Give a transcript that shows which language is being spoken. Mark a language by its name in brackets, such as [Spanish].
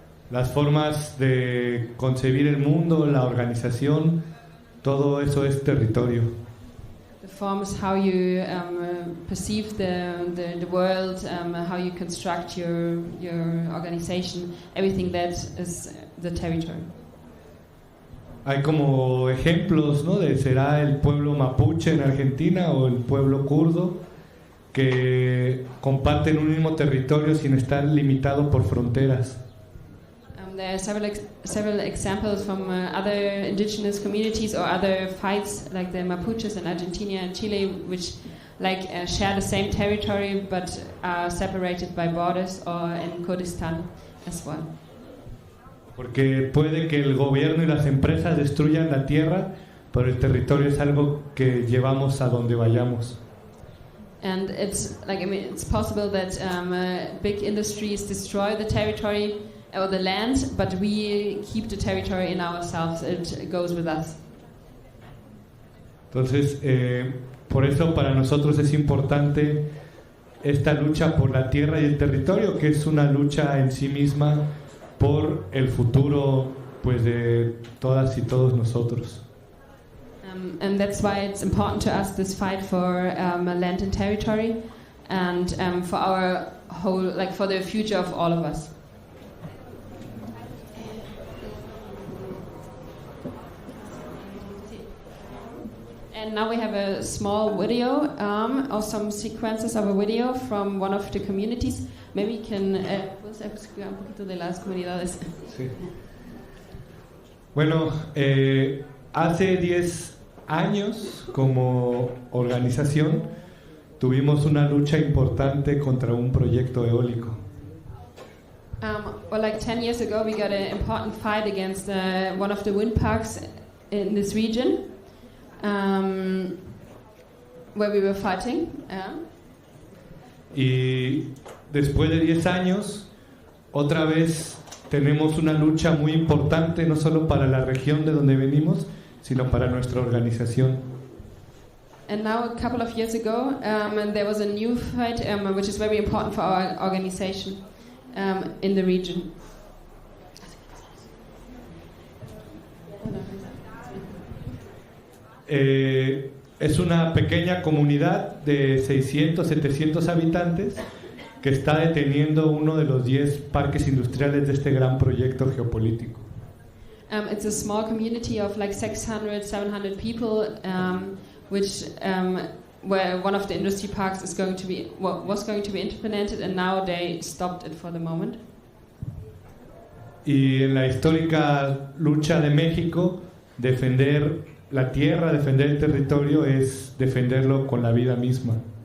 [Spanish] Las formas de concebir el mundo, la organización, todo eso es territorio. [English] The forms how you perceive the world, how you construct your organization, everything that is the territory. [Spanish] Hay como ejemplos, ¿no? De será el pueblo mapuche en Argentina o el pueblo kurdo que comparten un mismo territorio sin estar limitado por fronteras. [English] There are several examples from other indigenous communities or other fights, like the Mapuches in Argentina and Chile, which like share the same territory but are separated by borders, or in Kurdistan as well. [Spanish] Porque puede que el gobierno y las empresas destruyan la tierra, pero el territorio es algo que llevamos a donde vayamos. [English] And it's like, I mean, it's possible that big industries destroy the territory or the land, but we keep the territory in ourselves. It goes with us. [Spanish] Entonces, por eso para nosotros es importante esta lucha por la tierra y el territorio, que es una lucha en sí misma por el futuro, pues, de todas y todos nosotros. [English] And that's why it's important to us, this fight for land and territory, and for our whole, like, for the future of all of us. And now we have a small video, or some sequences of a video from one of the communities. Maybe you can explain [Spanish] un poquito de las comunidades. Sí. Bueno, hace 10 años, como organización, tuvimos una lucha importante contra un proyecto eólico. [English] Well, like 10 years ago, we got an important fight against one of the wind parks in this region. Where we were fighting. [Spanish] Y después de 10 años, otra vez tenemos una lucha muy importante, no solo para la región de donde venimos, sino para nuestra organización. [English] And now, a couple of years ago, and there was a new fight, which is very important for our organization, in the region. [Spanish] Es una pequeña comunidad de 600-700 habitantes que está deteniendo uno de los 10 parques industriales de este gran proyecto geopolítico. [English] It's a small community of like 600-700 people, which where one of the industry parks is going to be, well, was going to be implemented, and now they stopped it for the moment. [Spanish] Y en la histórica lucha de México, defender la tierra, defender el territorio, es defenderlo con la vida misma.